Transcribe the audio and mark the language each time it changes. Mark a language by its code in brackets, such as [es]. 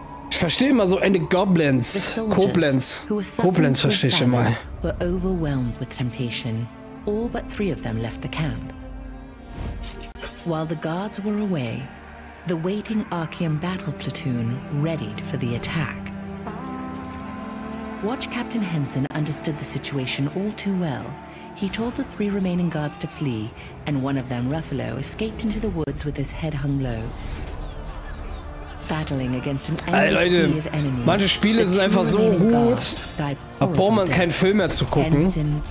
[de] Ich verstehe immer so eine Goblins, Koblenz, Koblenz verstehe ich immer. [en] Were overwhelmed with temptation. All but three of them left the camp. While the guards were away, the waiting Arkim battle platoon readied for the attack. Watch Captain Henson understood the situation all too well. He told the three remaining guards to flee, and one of them, Ruffalo, escaped into the woods with his head hung low. [de] Leute, manche Spiele sind einfach so gut, da braucht man keinen Film mehr zu gucken.